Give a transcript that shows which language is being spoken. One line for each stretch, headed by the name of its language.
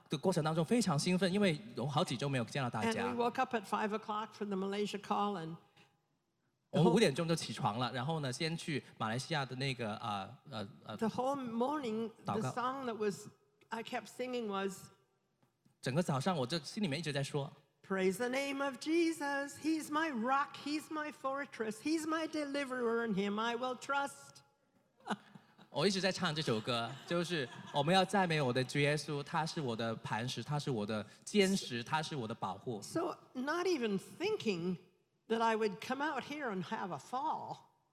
Chinese: 今天早上我本来要来到的过程当中非常兴奋, 因为有好几周没有见到大家。
English: And we woke up at 5 o'clock for the Malaysia call and
Chinese: 我们5点钟就起床了, 然后呢, 先去马来西亚的那个,
English: the whole morning, the song that was I kept singing was
Chinese: 整个早上我就心里面一直在说,
English: Praise the name of Jesus, He's my rock, He's my fortress, He's my deliverer, in Him I will trust.
Chinese: 我一直在唱这首歌, 就是我们要赞美我的主耶稣, 他是我的磐石, 他是我的坚实, 他是我的保护。
English: So not even thinking that I would come out here and have a fall.